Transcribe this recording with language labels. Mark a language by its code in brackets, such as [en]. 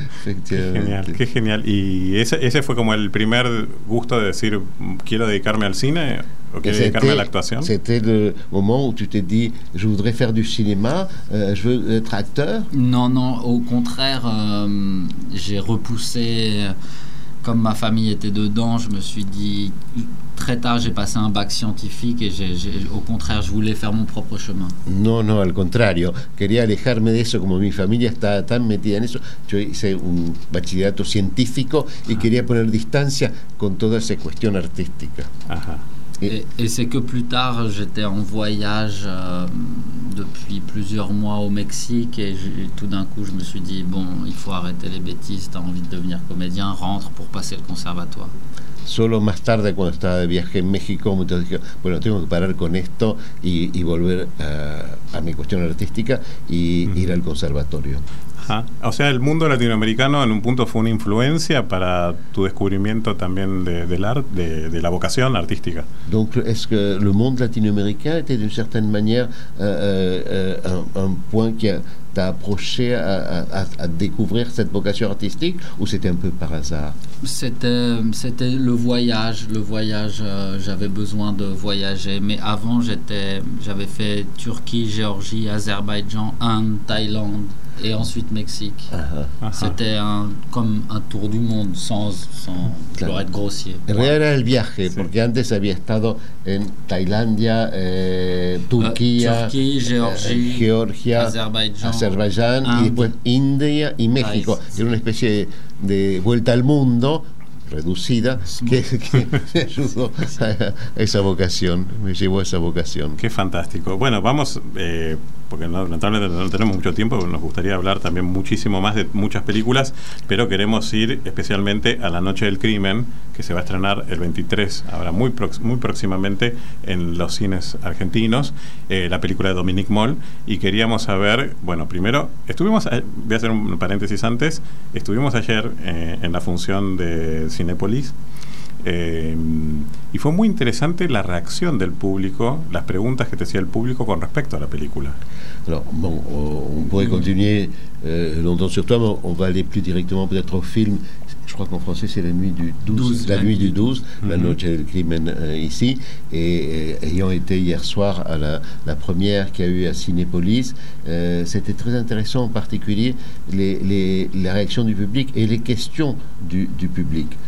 [es] Genial, qué genial. ¿Y ese fue como el primer gusto de decir, quiero dedicarme al cine? [fr] Ok, et dédicarme à l'actuation. C'était le moment où tu t'es dit, je voudrais faire du cinéma, je veux être acteur. Non, non, au contraire, j'ai repoussé, comme ma famille était dedans, je me suis dit, très tard, j'ai passé un bac scientifique et au contraire, je voulais faire mon propre chemin. [es] Non, non, al contrario. Quería alejarme de eso, como mi familia está tan metida en eso. Yo hice un bachillerato científico y quería poner distancia con toda esa cuestión artística. [fr] Et c'est que plus tard, j'étais en voyage depuis plusieurs mois au Mexique et tout d'un coup, je me suis dit, bon, il faut arrêter les bêtises, t'as envie de devenir comédien, rentre pour passer le conservatoire. [es] Solo más tarde, cuando estaba de viaje en México, entonces dije, bueno, tengo que parar con esto y volver a mi cuestión artística y ir al conservatorio. Ajá. O sea, el mundo latinoamericano en un punto fue una influencia para tu descubrimiento también de la vocación artística. [fr] Donc, est-ce que le monde latino-américain était d'une certaine manière un point qui t'a approché à découvrir cette vocation artistique ou c'était un peu par hasard? C'était le voyage, j'avais besoin de voyager, mais avant j'avais fait Turquie, Géorgie, Azerbaïdjan, Inde, Thaïlande. Et ensuite Mexique. C'était comme un tour du monde sans claro. Être grossier. [es] Era el viaje, sí. Porque antes había estado en Tailandia, Turquía, Georgia, Azerbaiyán, y después India y México. Era una especie de vuelta al mundo reducida que me ayudó a esa vocación, me llevó a esa vocación. Qué fantástico. Bueno, vamos, porque lamentablemente no tenemos mucho tiempo, nos gustaría hablar también muchísimo más de muchas películas, pero queremos ir especialmente a La Noche del Crimen, que se va a estrenar el 23, ahora muy próximamente, en los cines argentinos, la película de Dominique Moll, y queríamos saber, bueno, primero, voy a hacer un paréntesis antes, estuvimos ayer en la función de Cinépolis, y fue muy interesante la reacción del público, las preguntas que te hacía el público con respecto a la película. [fr] Alors, bon, on pourrait continuer longtemps sur toi, mais on va aller plus directement peut-être au film. Je crois qu'en français, c'est La nuit du 12, La Noche del Crimen ici. Et ayant été hier soir à la première qu'il y a eu à Cinépolis, c'était très intéressant, en particulier la réaction du public et les questions du public.